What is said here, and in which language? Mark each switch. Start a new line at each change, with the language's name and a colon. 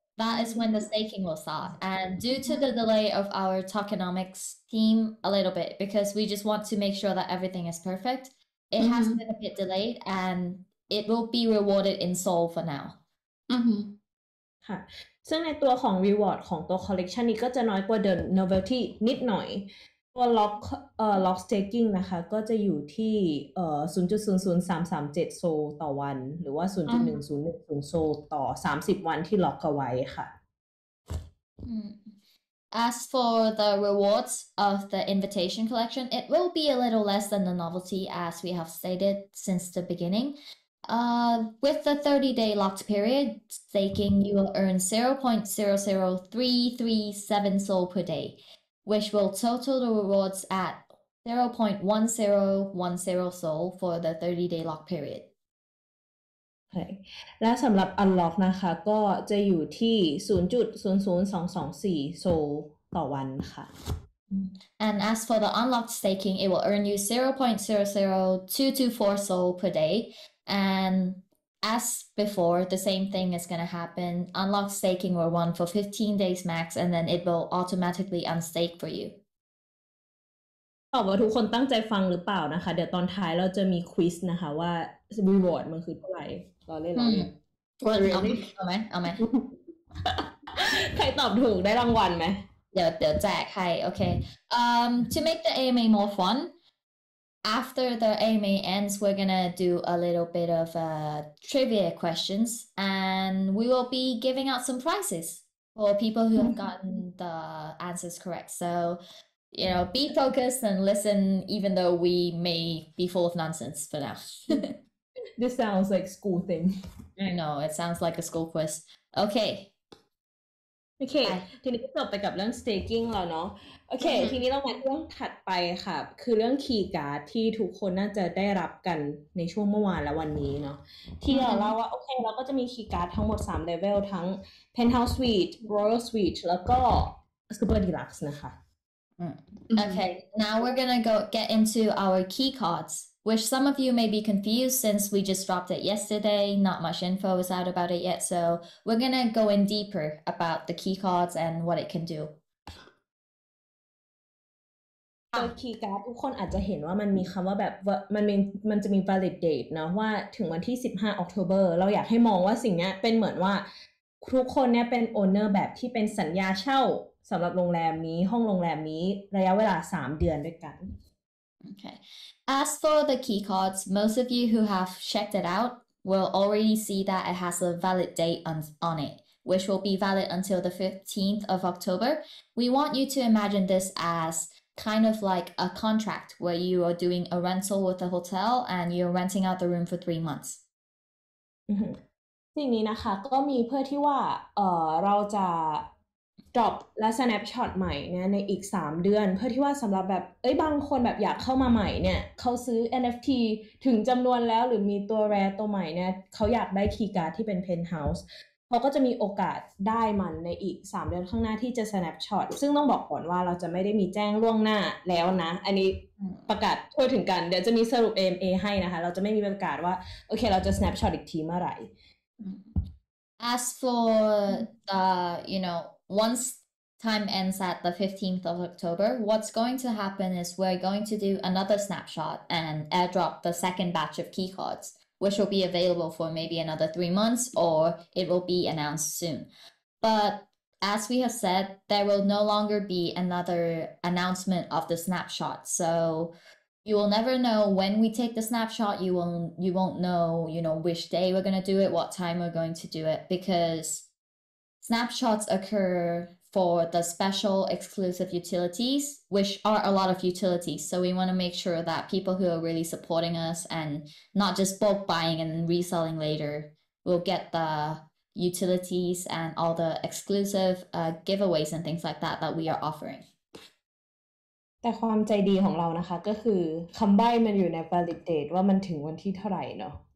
English: That is when the staking will start. And due to the delay of our tokenomics team a little bit, because we just want to make sure that everything is perfect, it has been a bit delayed and it will be rewarded in Seoul for now. Okay.
Thai: ซึ่งในตัวของ reward ของตัว collection นี้ก็จะน้อยกว่า the novelty นิดหน่อยตัว lock staking นะคะก็จะอยู่ที่0.00337 โซต่อวันหรือว่า 0.1010 โซต่อ30วันที่ lock เอาไว้ค่ะ
English: As for the rewards of the invitation collection it will be a little less than the novelty as we have stated since the beginningwith the 30-day locked period staking, you will earn 0.00337 soul per day, which will total the rewards at 0.1010 soul for the 30-day lock period. Okay.
Thai: และสำหรับ unlock นะคะก็จะอยู่ที่0.00224 soul ต่อวันค่ะ
English: And as for the unlocked staking, it will earn you 0.00224 soul per day. And as before, the same thing is going to happen. Unlock staking will run for 15 days max, and then it will automatically unstake for you.
Thai: ตอบว่าทุกคนตั้งใจฟังหรือเปล่านะคะเดี๋ยวตอนท้ายเราจะมีควิสนะคะว่า reward มันคือเท่าไหร่รอเล่นรอเล่น เอาไหมเอาไหม ใครตอบถูกได้รางวัลไหม เดี๋ยวแจกให้โอเค
English: to make the AMA more fun. After the AMA ends, we're gonna do a little bit of trivia questions, and we will be giving out some prizes for people who have gotten the answers correct. So, you know, be focused and listen, even though we may be full of nonsense for now. This sounds like school thing. I know, it sounds like a school quiz. Okay,
Thai: โอเคทีนี้ก็จบไปกับเรื่อง staking แล้วเนาะโอเคทีนี้เรามาเรื่องถัดไปค่ะคือเรื่องคีย์การ์ดที่ทุกคนน่าจะได้รับกันในช่วงเมื่อวานและวันนี้เนาะที่เราว่าโอเคเราก็จะมีคีย์การ์ดทั้งหมด3เลเวลทั้ง Penthouse Suite Royal Suite แล้วก็ Super Deluxe นะคะ
English: Okay, now we're gonna go get into our key cards, which some of you may be confused since we just dropped it yesterday. Not much info is out about it yet, so we're gonna go in deeper about the key cards and what it can do.
Thai: So key card, ทุกคนอาจจะเห็นว่ามันมีคำว่าแบบมันจะมี valid date นะว่าถึงวันที่15 October เราอยากให้มองว่าสิ่งนี้เป็นเหมือนว่าทุกคนเนี่ยเป็น owner แบบที่เป็นสัญญาเช่าสำหรับโรงแรมนี้ห้องโรงแรมนี้ระยะเวลา3เดือนด้วยกัน
English: Okay. As for the key cards, most of you who have checked it out will already see that it has a valid date on it, which will be valid until the 15th of October. We want you to imagine this as kind of like a contract where you are doing a rental with a hotel and you're renting out the room for 3 months.
Thai: สิ่งนี้นะคะก็มีเพื่อที่ว่าเราจะดรอปและ snapshot ใหม่เนี่ยในอีก3เดือนเพื่อที่ว่าสำหรับแบบเอ้ยบางคนแบบอยากเข้ามาใหม่เนี่ยเขาซื้อ NFT ถึงจำนวนแล้วหรือมีตัวแรร์ตัวใหม่เนี่ยเขาอยากได้คีย์การ์ดที่เป็น penthouse เขาก็จะมีโอกาสได้มันในอีก3เดือนข้างหน้าที่จะ snapshot ซึ่งต้องบอกก่อนว่าเราจะไม่ได้มีแจ้งล่วงหน้าแล้วนะอันนี้ประกาศทั่วถึงกันเดี๋ยวจะมีสรุป AMA ให้นะคะเราจะไม่มีประกาศว่าโอเคเราจะ snapshot อีกทีเมื่อไหร่
English: As for the you knowOnce time ends at the 15th of October, what's going to happen is we're going to do another snapshot and airdrop the second batch of key cards, which will be available for maybe another 3 months or it will be announced soon. But as we have said, there will no longer be another announcement of the snapshot. So you will never know when we take the snapshot. You won't know, you know, which day we're going to do it, what time we're going to do it, because... Snapshots occur for the special exclusive utilities, which are a lot of utilities. So we want to make sure that people who are really supporting us and not just bulk buying and reselling later will get the utilities and all the exclusive giveaways and things like that we are offering.
Thai: แต่ความใจดีของเรานะคะก็คือคำใบ้มันอยู่ใน valid date ว่ามันถึงวันที่เท่าไหร่เนาะ